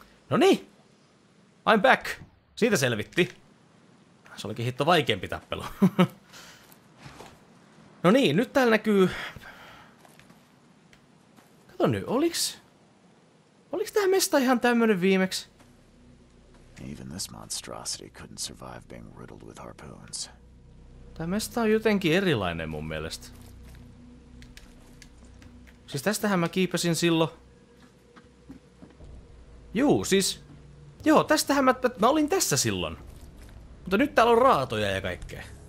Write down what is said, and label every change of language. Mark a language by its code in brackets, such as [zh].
[fi] Noniin! [en] I'm back! [fi] Siitä selvitti. Se olikin hitto vaikeempi tappelu. Noniin, nyt täällä näkyy... Kato nyt, oliks... Oliks tää mesta ihan tämmönen viimeksi? [en] Even this monstrosity couldn't survive being riddled with harpoons. [fi] Tää mesta on jotenkin erilainen mun mielestä. Siis tästähän mä kiipäsin silloin. Juu, siis... Joo, tästähän mä olin tässä silloin. Mutta nyt täällä on raatoja ja kaikkea.